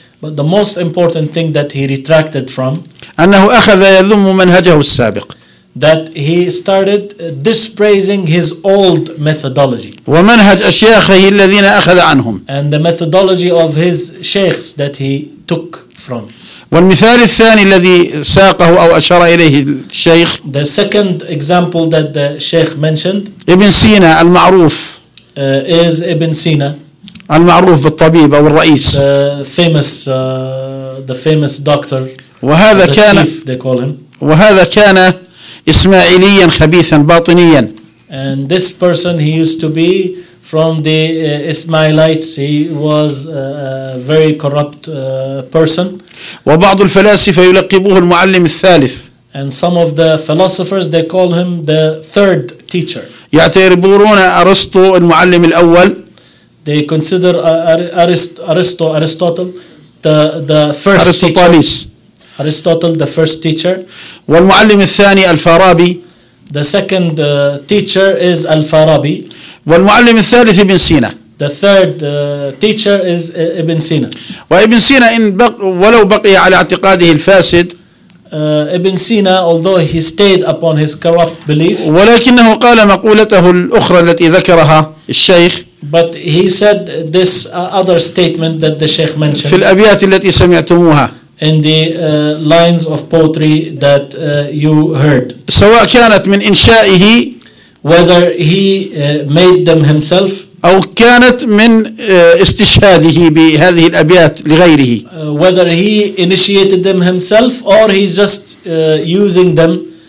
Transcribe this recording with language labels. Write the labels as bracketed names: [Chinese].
[English] But the most important thing that he retracted from. [Arabic] أنه أخذ يذم منهجه السابق. [English] That he started dispraising his old methodology. [Arabic] ومنهج أشياخه الذين أخذ عنهم. [English] And the methodology of his sheikhs that he took from. [Arabic] والمثال الثاني الذي ساقه أو أشار إليه الشيخ. [English] The second example that the sheikh mentioned. [Arabic] ابن سينا المعروف. [English] Is ابن سينا. [Arabic] المعروف بالطبيب أو الرئيس. [English] The famous doctor. [Arabic] وهذا كان. [English] Chief, they call him. [Arabic] وهذا كان إسماعيليا خبيثا باطنيا. [English] And this person he used to be from the Ismailites. He was a very corrupt person. [Arabic] وبعض الفلاسفة يلقبوه المعلم الثالث. [English] And some of the philosophers they call him the third teacher. [Arabic] يعتبرون أرسطو المعلم الأول. [English] They consider Aristotle the first Aristotle. Teacher. Aristotle the first teacher. [Arabic] والمعلم الثاني الفارابي. [English] The second teacher is Al-Farabi. [Arabic] والمعلم الثالث ابن سينا. [English] The third teacher is Ibn Sina. [Arabic] وابن سينا إن ولو بقي على اعتقاده الفاسد. [English] Ibn Sina, although he stayed upon his corrupt belief. [Arabic] ولكنه قال مقولته الأخرى التي ذكرها الشيخ. [English] But he said this other statement that the Sheikh mentioned. [Arabic] في الأبيات التي سمعتموها. [English] In the lines of poetry that you heard. [Arabic] سواء كانت من إنشائه. [English] Whether he made them himself. [Arabic] أو كانت من استشهاده بهذه الأبيات لغيره. [English] Whether he initiated them himself or he just using them.